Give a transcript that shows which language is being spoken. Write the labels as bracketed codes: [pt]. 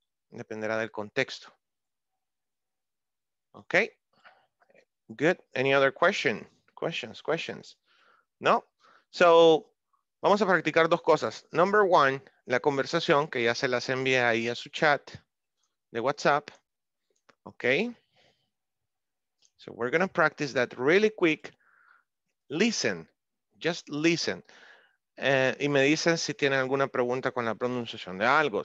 [es] Dependerá del contexto. [en] Okay. Good. Any other question? Questions. No? So, [es] vamos a practicar dos cosas. [en] Number one, [es] la conversación que ya se las envié ahí a su chat de WhatsApp. [en] Okay. So we're going to practice that really quick. Listen. Just listen. [es] Y me dicen si tienen alguna pregunta con la pronunciación de algo.